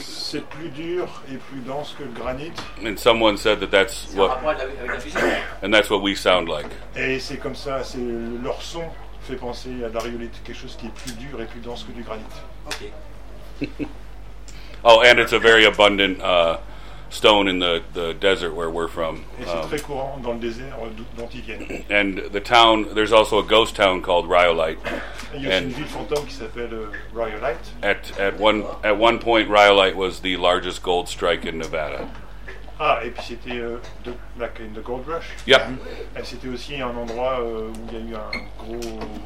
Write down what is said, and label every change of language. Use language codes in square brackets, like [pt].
[fr] C'est plus dur et plus dense que granit. [en] And someone said that that's what. And that's what we sound like. [fr] Et c'est comme ça. C'est leur son fait penser à la rhyolite, quelque chose qui est plus dur et plus dense que du granit. [en] Okay. Oh, and it's a very abundant stone in the desert where we're from. [fr] Et c'est très courant dans le désert dont ils viennent. [en] And the town, there's also a ghost town called Rhyolite. [fr] Il y a une ville fantôme qui s'appelle Rhyolite. [en] At one point, Rhyolite was the largest gold strike in Nevada. [fr] Ah, et puis c'était [en] in the gold rush. Yeah. [fr] Et c'était aussi un endroit où il y a eu un gros